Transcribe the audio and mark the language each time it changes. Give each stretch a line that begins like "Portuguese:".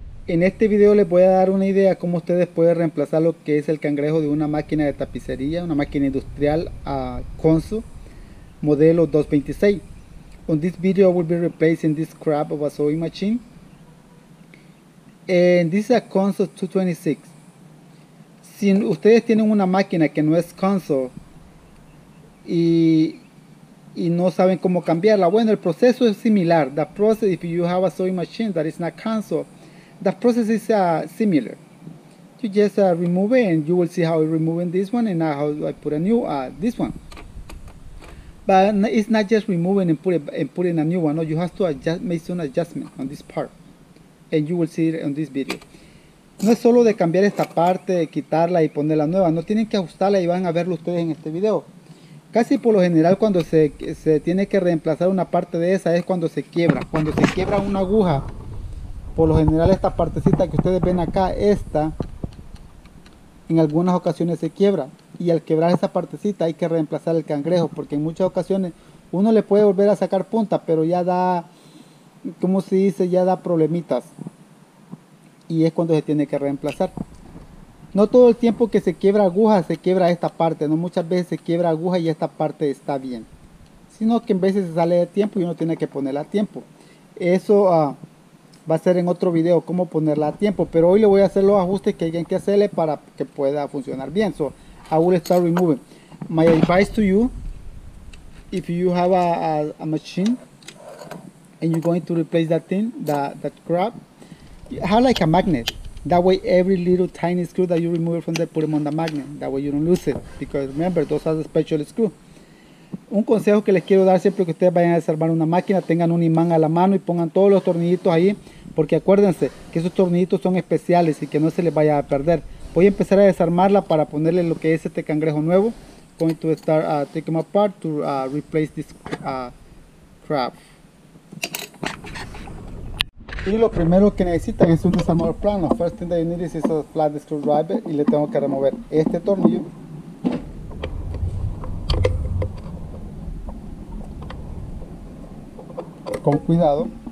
Spanish: En este video les voy a dar una idea cómo ustedes pueden reemplazar lo que es el cangrejo de una máquina de tapicería, una máquina industrial Konzu modelo 226.
English: On this video, I will be replacing this scrap of a sewing machine. And this is a Konzu 226.
Spanish: Si ustedes tienen una máquina que no es Konzu y no saben cómo cambiarla, bueno, el proceso es similar.
English: The process, if you have a sewing machine that is not Konzu, the process is similar. You just remove it, and you will see how I'm removing this one, and how do I put a new this one. But it's not just removing and putting a new one. No, you have to adjust, make some adjustment on this part, and you will see it on this video.
Spanish: No es solo de cambiar esta parte, quitarla y ponerla nueva. No tienen que ajustarla y van a verlo ustedes en este video. Casi por lo general, cuando se tiene que reemplazar una parte de esa es cuando se quiebra. Cuando se quiebra una aguja. Por lo general, esta partecita que ustedes ven acá, esta, en algunas ocasiones se quiebra. Y al quebrar esa partecita hay que reemplazar el cangrejo, porque en muchas ocasiones uno le puede volver a sacar punta, pero ya da, como se dice, ya da problemitas. Y es cuando se tiene que reemplazar. No todo el tiempo que se quiebra aguja, se quiebra esta parte. No, muchas veces se quiebra aguja y esta parte está bien. Sino que en veces se sale de tiempo y uno tiene que ponerla a tiempo. Eso va a ser en otro video, cómo ponerla a tiempo. Pero hoy le voy a hacer los ajustes que hay que hacerle para que pueda funcionar bien.
English: So, I will start removing. My advice to you, if you have a machine and you're going to replace that thing, that scrap, have like a magnet. That way every little tiny screw that you remove from there, put them on the magnet. That way you don't lose it. Because remember, those are the special screws.
Spanish: Un consejo que les quiero dar siempre que ustedes vayan a desarmar una máquina, tengan un imán a la mano y pongan todos los tornillitos ahí, porque acuérdense que esos tornillitos son especiales y que no se les vaya a perder. Voy a empezar a desarmarla para ponerle lo que es este cangrejo nuevo.
English: Going to start taking them apart to replace this crap.
Spanish: Y lo primero que necesitan es un desarmador plano.
English: First thing that you need is a flat screwdriver,
Spanish: y le tengo que remover este tornillo. Con cuidado.